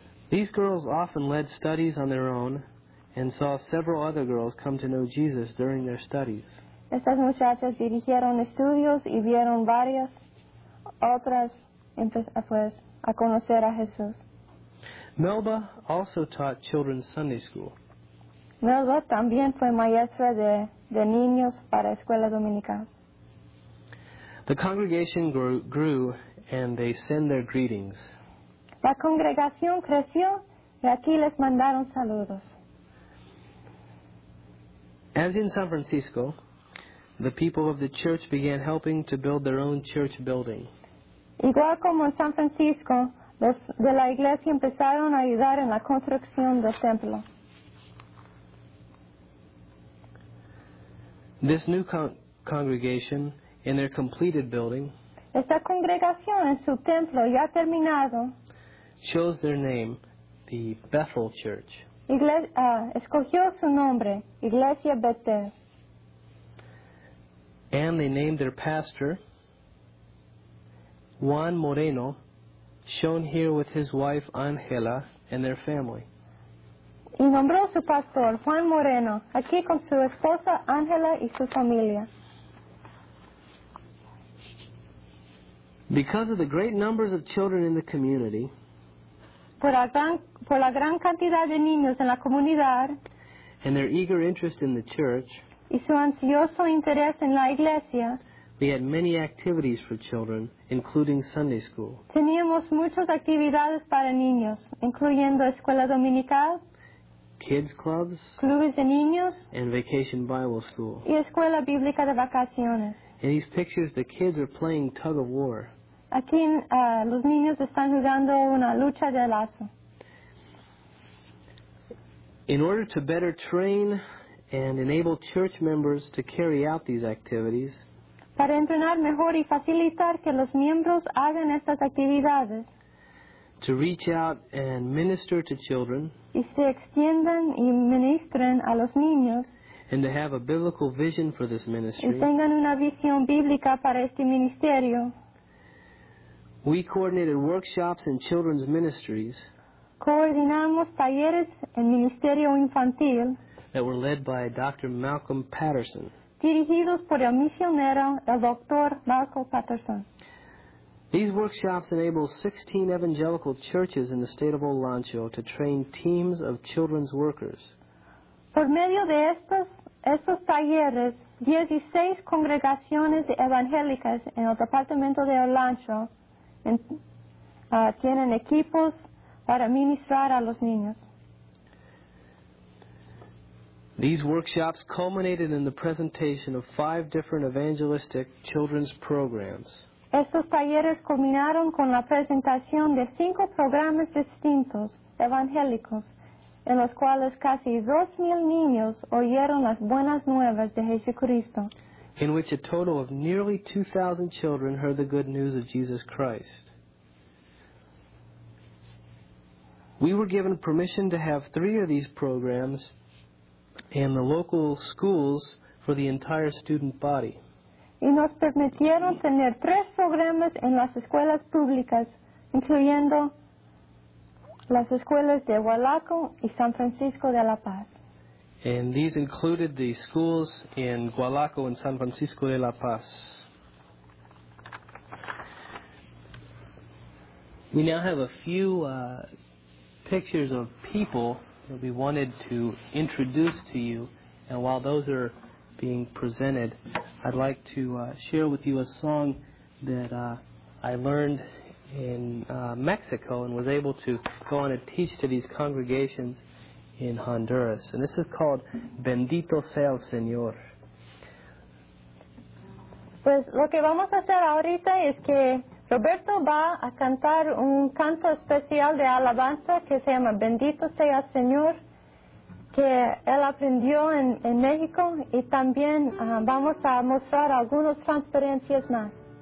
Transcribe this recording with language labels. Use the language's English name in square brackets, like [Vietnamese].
[English] These girls often led studies on their own and saw several other girls come to know Jesus during their studies. [Spanish] Estas muchachas dirigieron estudios y vieron varias otras pues, a conocer a Jesús. [English] Melba also taught children's Sunday school. [Spanish] Melba también fue maestra de niños para escuela dominical. [English] The congregation grew and they send their greetings. [Spanish] La congregación creció y aquí les mandaron saludos. [English] As in San Francisco, the people of the church began helping to build their own church building. [Spanish] Igual como en San Francisco, los de la iglesia empezaron a ayudar en la construcción del templo. [English] This new congregation, in their completed building, [Spanish] esta congregación en su templo ya terminado, [English] chose their name, the Bethel Church. [Spanish] Escogió su nombre, Iglesia Bethel. [English] And they named their pastor, Juan Moreno, shown here with his wife, Angela, and their family. [Spanish] Y nombró su pastor, Juan Moreno, aquí con su esposa, Angela, y su familia. [English] Because of the great numbers of children in the community, [Spanish] por la gran cantidad de niños en la comunidad, [English] and their eager interest in the church, [Spanish] y su ansioso interés en la iglesia, [English] we had many activities for children, including Sunday school. [Spanish] Teníamos muchas actividades para niños, incluyendo escuela dominical, [English] kids clubs, [Spanish] clubes de niños, [English] and vacation Bible school. [Spanish] Y escuela bíblica de vacaciones. [English] In these pictures, the kids are playing tug of war. [Spanish] Aquí los niños están jugando una lucha de lazo. [English] In order to better train and enable church members to carry out these activities, [Spanish] para entrenar mejor y facilitar que los miembros hagan estas actividades, [English] to reach out and minister to children, [Spanish] y se extiendan y ministren a los niños, [English] and to have a biblical vision for this ministry, [Spanish] y tengan una visión bíblica para este ministerio, [English] we coordinated workshops in children's ministries, [Spanish] coordinamos talleres en ministerio infantil, [English] that were led by Dr. Malcolm Patterson, [Spanish] dirigidos por el misionero, el Dr. Malcolm Patterson. [English] These workshops enable 16 evangelical churches in the state of Olancho to train teams of children's workers. [Spanish] Por medio de estos talleres, 16 congregaciones evangélicas en el departamento de Olancho tienen equipos para ministrar a los niños. [English] These workshops culminated in the presentation of 5 different evangelistic children's programs. [Spanish] Estos talleres culminaron con la presentación de 5 programas distintos evangélicos en los cuales casi 2,000 niños oyeron las buenas nuevas de Jesucristo. [English] In which a total of nearly 2,000 children heard the good news of Jesus Christ. We were given permission to have 3 of these programs in the local schools for the entire student body. [Spanish] Y nos permitieron tener 3 programas en las escuelas públicas, incluyendo las escuelas de Hualaco y San Francisco de la Paz. [English] And these included the schools in Hualaco and San Francisco de la Paz. We now have a few pictures of people that we wanted to introduce to you, and while those are being presented, I'd like to share with you a song that I learned in Mexico and was able to go on and teach to these congregations in Honduras. And this is called Bendito Sea el Señor. [Spanish] Pues lo que vamos a hacer ahorita es que Roberto va a cantar un canto especial de alabanza que se llama Bendito Sea el Señor, que él aprendió en México, y también vamos a mostrar algunas transferencias más.